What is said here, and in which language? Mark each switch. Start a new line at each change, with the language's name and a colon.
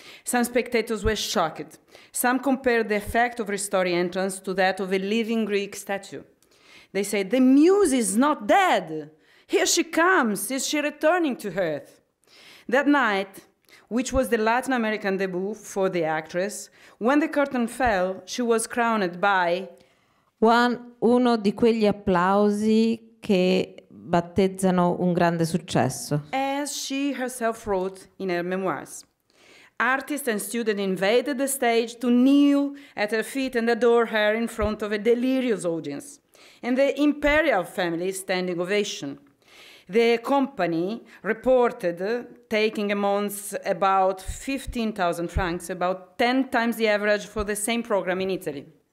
English: Some spectators were shocked. Some compared the effect of Ristori entrance to that of a living Greek statue. They said, "The muse is not dead. Here she comes. Is she returning to earth?" That night, which was the Latin American debut for the actress, when the curtain fell, she was crowned by...
Italian: uno di quegli applausi che battezzano un grande successo.
English: As she herself wrote in her memoirs. Artists and students invaded the stage to kneel at her feet and adore her in front of a delirious audience. And the imperial family standing ovation. The company reported taking a month about 15,000 francs, about 10 times the average for the same program in Italy.